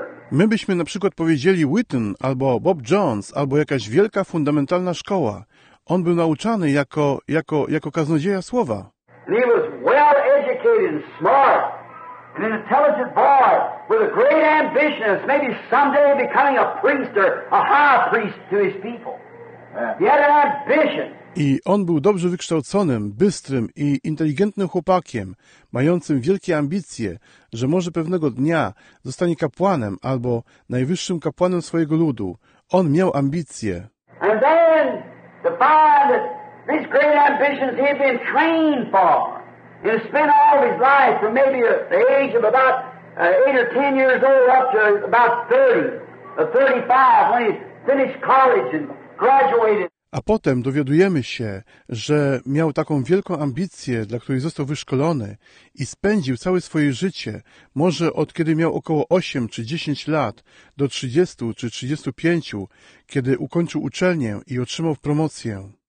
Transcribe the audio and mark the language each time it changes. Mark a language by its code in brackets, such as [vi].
[pl] My byśmy na przykład powiedzieli Wheaton albo Bob Jones, albo jakaś wielka fundamentalna szkoła. On był nauczany jako kaznodzieja słowa. [en] He was well educated and smart, and an intelligent boy with a great ambition of maybe someday becoming a priest or a high priest to his people. He had an ambition. [pl] I on był dobrze wykształconym, bystrym i inteligentnym chłopakiem, mającym wielkie ambicje, że może pewnego dnia zostanie kapłanem albo najwyższym kapłanem swojego ludu. On miał ambicje. [en] And then the find that these great ambitions he had been trained for. He had spent all of his life from maybe the age of about 8 or 10 years old up to about 30 or 35 when he finished college and graduated. [pl] A potem dowiadujemy się, że miał taką wielką ambicję, dla której został wyszkolony i spędził całe swoje życie, może od kiedy miał około 8 czy 10 lat, do 30 czy 35, kiedy ukończył uczelnię i otrzymał promocję.